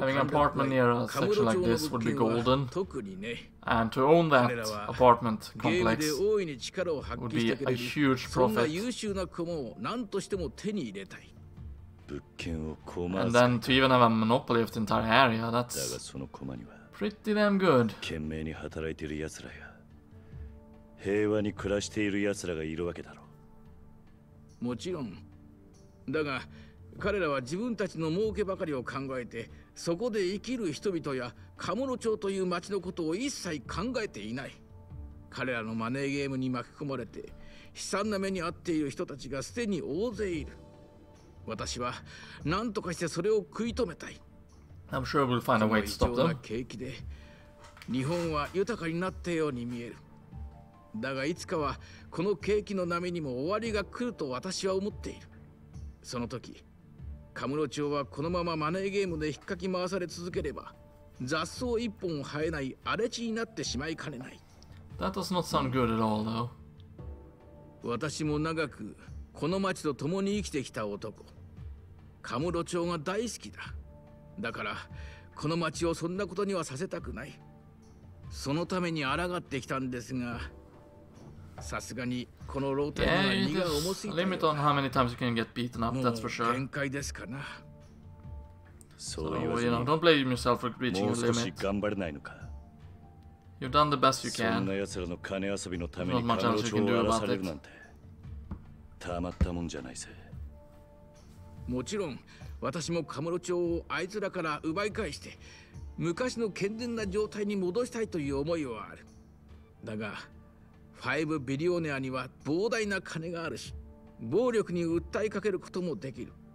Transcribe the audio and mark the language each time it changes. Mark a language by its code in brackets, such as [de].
[en] Having an apartment near a section like this would be golden. And to own that apartment complex would be a huge profit. And then to even have a monopoly of the entire area, that's pretty damn good. [ja] 懸命に働いている奴らや平和に暮らしている奴らがいるわけだろう。もちろん。だが彼らは自分たちの儲けばかりを考えて、そこで生きる人々やカムロ町という町のことを一切考えていない。彼らのマネーゲームに巻き込まれて、悲惨な目に遭っている人たちがすでに大勢いる。私は何とかしてそれを食い止めたい。 [en] I'm sure we'll find a way to stop them. [ja] 景気で日本は豊かになったように見える。だがいつかはこの景気の波にも終わりが来ると私は思っている。その時、カムロ町はこのままマネーゲームで引っかき回され続ければ、雑草一本生えない荒れ地になってしまいかねない。 [en] That does not sound good at all, though. [ja] 私も長くこの町と共に生きてきた男。カムロ町が大好きだ。だから、この町をそんなことにはさせたくない。そのために抗ってきたんですが、さすがにこのローテンが荷が重すぎて、 [en] limit on how many times you can get beaten up, that's for sure. [ja] 限界ですかな。 [en] So, you know, don't blame yourself for reaching the limit. You've done the best you can. There's not much else you can do about it. [ja] もちろん、私もカムロ町をあいつらから奪い返して 昔の健全な状態に戻したいという思いはある。だが、5ビリオネアには膨大な金があるし 暴力に訴えかけることもできる。